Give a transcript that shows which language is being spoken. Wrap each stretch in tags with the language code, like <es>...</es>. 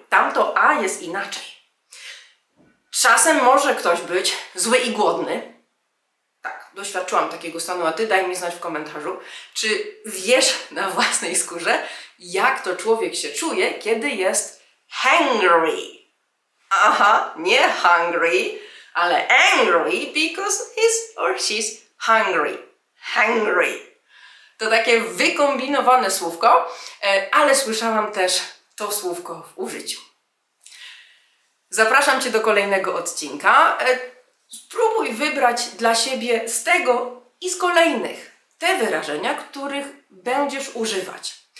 <pl>Tamto A jest inaczej. Czasem może ktoś być zły i głodny. Tak, doświadczyłam takiego stanu, a Ty daj mi znać w komentarzu, czy wiesz na własnej skórze, jak to człowiek się czuje, kiedy jest hangry. Aha, nie</pl> <en>hungry,</en> <pl>ale</pl> <en>angry, because he's or she's hungry. Hangry.</en> <pl>To takie wykombinowane słówko, ale słyszałam też to słówko w użyciu. Zapraszam Cię do kolejnego odcinka. Spróbuj wybrać dla siebie z tego i z kolejnych te wyrażenia, których będziesz używać.</pl>